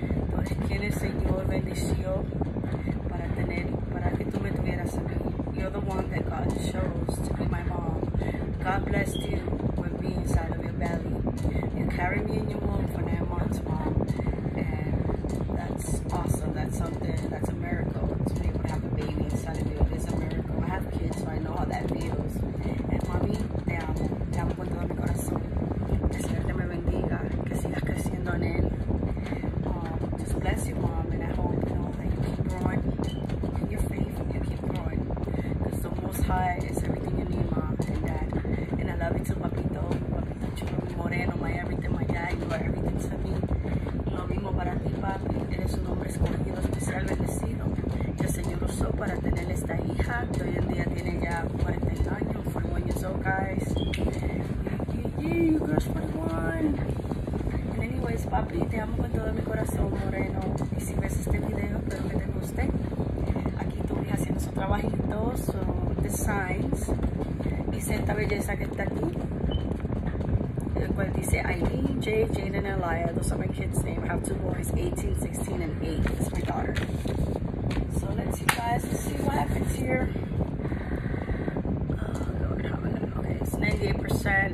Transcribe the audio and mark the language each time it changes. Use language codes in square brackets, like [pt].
[es] Tú eres quien el Señor bendició para tener, para que tú me tuvieras a mí. [en] You're the one that God chose to be my mom. God blessed you with me inside of your belly. You carry me in your womb for nine months, mom. And that's awesome. That's something. That's a miracle. To be able to have a baby inside of you, it is a miracle. I have kids, so I know how that feels. And mommy, [es] te amo. Te amo con todo mi corazón. Que el Señor te me bendiga. Que sigas creciendo en él. [en] Just bless you, mom. And I hope, you know, that you keep growing. In your faith, you keep growing. Because the Most High is everything you need, mom. And dad. And I love you too, papito. Moreno, my everything, my dad, you are everything to me. [es] Lo mismo para ti, papi. Eres un hombre escogido, especial, bendecido. El Señor usó para tener esta hija, que hoy en día tiene ya 41 años, [en] 41 years old, guys. Yeah, you girls, 41. And anyways, [es] papi, te amo con todo mi corazón, Moreno. Y si ves este video, espero que te guste. Aquí tu hija haciendo su trabajito, su designs. Y esta belleza que está aquí. [en] But they say Aileen, Jay, Jane, and Elia. Those are my kids' names. I have two boys, 18, 16, and 8. That's my daughter. So let's see, guys. Let's see what happens here. Oh, Lord, how many? Okay, it's 98%.